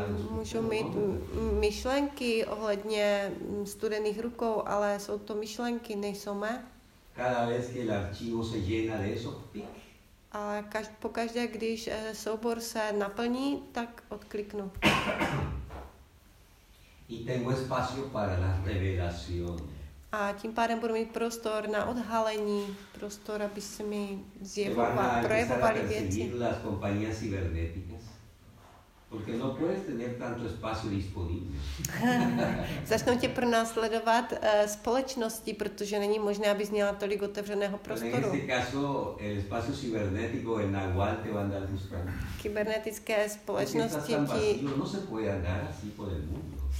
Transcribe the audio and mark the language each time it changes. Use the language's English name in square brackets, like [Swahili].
[Czech] Můžu mít myšlenky ohledně studených rukou, ale jsou to myšlenky, nejsou mé. [Spanish] Cada vez que el archivo se llena de eso, [Czech] a pokaždé, když soubor se naplní, tak odkliknu. [Spanish] Y tengo espacio para la revelación. [Czech] A tím pádem budu mít prostor na odhalení, prostor, aby se mi projevovaly věci. [Spanish] Las compañías cibernéticas. Porque no puedes tener tanto espacio disponible. [Czech] Začnou tě pronásledovat společnosti, protože není možné, abys měla tolik otevřeného prostoru. [Spanish] En este caso, el espacio cibernético en Nahual te va a andar buscando. [Czech] Kybernetické společnosti ti... [Spanish] No se puede andar así por el mundo.